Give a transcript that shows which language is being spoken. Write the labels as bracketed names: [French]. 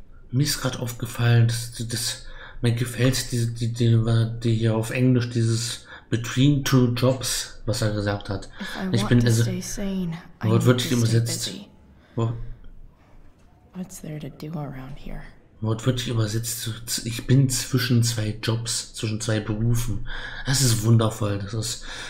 [German] Mir ist gerade aufgefallen, dass mir gefällt, die hier auf Englisch, dieses [English] between two jobs, [German] was er gesagt hat. Ich bin also wortwörtlich übersetzt. [English] What's there to do around here? [German] Wortwörtlich übersetzt, ich bin zwischen zwei Jobs, zwischen zwei Berufen. Das ist wundervoll, das ist...